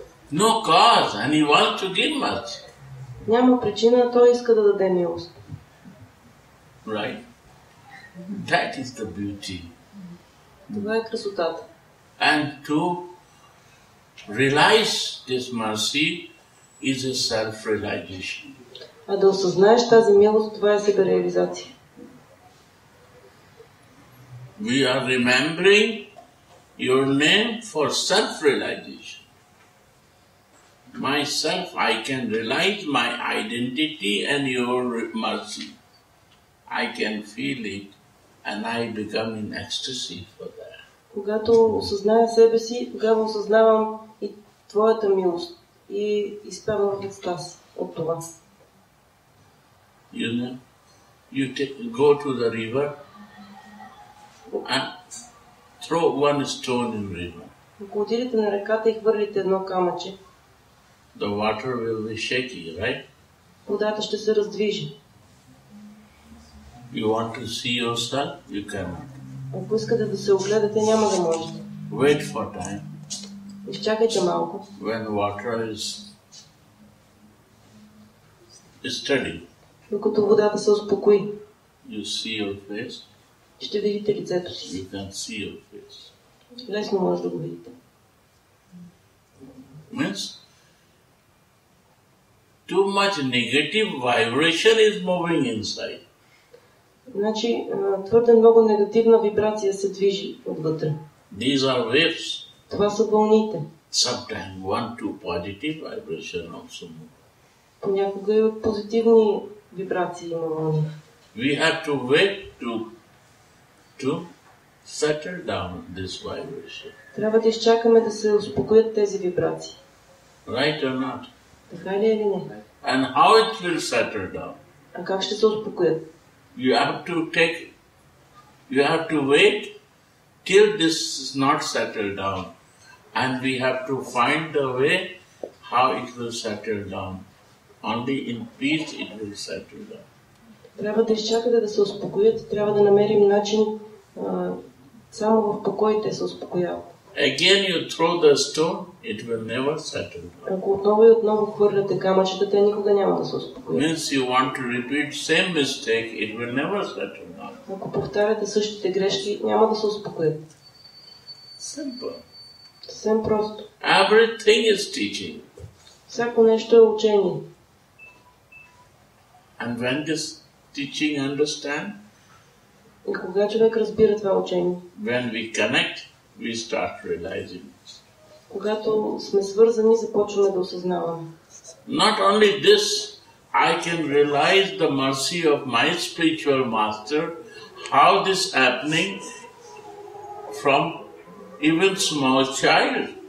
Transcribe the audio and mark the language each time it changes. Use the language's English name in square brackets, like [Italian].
[English] No cause, and he wants to give mercy. [Bulgarian] Няма причина, той иска да даде милост. [English] Right? That is the beauty. [Bulgarian] Това е красотата. [English] And to realize this mercy is a self-realization. [Bulgarian] А да осъзнаеш тази милост, това е себереализация. [English] We are remembering your name for self-realization. Myself, I can realize my identity and your mercy. I can feel it and I become in ecstasy for that. [Bulgarian] Когато осъзная себе си, тогава осъзнавам и твоята милост и изпълвам екстаз от това. [English] You know, you go to the river and throw one stone in the river. [Bulgarian] Ако отидете на реката и хвърлите едно камъче, [English] the water will be shaky, right? [Bulgarian] Водата ще се раздвижи. [English] You want to see yourself? You cannot. [Bulgarian] Ако искате да се огледате, няма да можете. [English] Wait for time. [Bulgarian] Изчакайте малко. [English] When water is steady. [Bulgarian] Докато водата се успокои. [English] You see your face. [Bulgarian] Ще видите лицето си. [English] You can see your face. [Bulgarian] Лесно може да го видите. [English] Means? Too much negative vibration is moving inside. [Bulgarian] Значи, твърде много негативна вибрация се движи отвътре. [English] These are waves. [Bulgarian] Това са вълните. [English] Sometimes one, two positive vibration also move. [Bulgarian] Понякога и позитивни вибрации има вълни. [English] We have to wait to settle down this vibration. [Bulgarian] Трябва да изчакаме да се успокоят тези вибрации. [English] Right or not? [Bulgarian] Така ли е или не? [English] And how it will settle down? [Bulgarian] А как ще се успокоят? [English] You have to wait till this is not settled down. And we have to find the way how it will settle down. Only in peace it will settle down. [Bulgarian] Трябва да изчакате да се успокоят, трябва да намерим начин Само в покоите се успокоява. [English] Again you throw the stone, it will never settle. [Bulgarian] Ако отново и отново хвърляте камъчета, те никога няма да се успокоят. [English] Means you want to repeat same mistake, it will never settle. [Bulgarian] Ако повтаряте същите грешки, няма да се успокоят. [English] Simple. [Bulgarian] Съвсем просто. [English] Everything is teaching. [Bulgarian] Всяко нещо е учение. [English] And when this teaching understand? [Bulgarian] И кога човек разбира това учение? [English] When we connect, we start realizing. [Bulgarian] Когато сме свързани, започваме да осъзнаваме. [English] Not only this, I can realize the mercy of my spiritual master, how this happening from even small child.